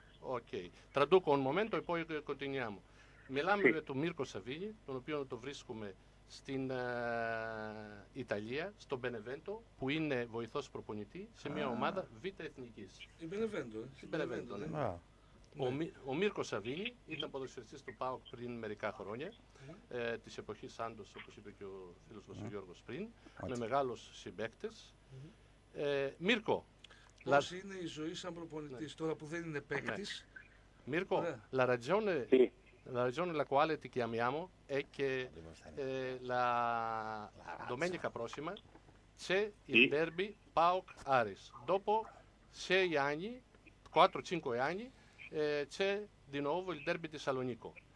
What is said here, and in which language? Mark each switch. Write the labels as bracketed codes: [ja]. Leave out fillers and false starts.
[it] Ok, traduco un momento e poi continuiamo. [el] Μιλάμε με τον Μίρκο Σαβίνη, τον οποίο το βρίσκουμε στην Ιταλία, στο Benevento, που είναι βοηθός προπονητή σε μια ομάδα Β' Εθνικής. Στην Benevento, στην Benevento, ναι. Ο Μίρκο Σαβίνη ήταν ποδοσφαιριστής του ΠΑΟΚ πριν μερικά χρόνια, της εποχής Σάντος, όπως είπε και ο φίλος μας ο Γιώργος πριν, με μεγάλους συμπαίκτες. Μίρκο. Πώς είναι η ζωή σαν προπονητής τώρα που δεν είναι παίκτης. [it] Μίρκο, la ragione la quale ti chiamiamo è che la domenica prossima c'è il derby ΠΑΟΚ Άρης. Dopo 6 anni, 4-5 anni, c'è di nuovo il derby di Salonico.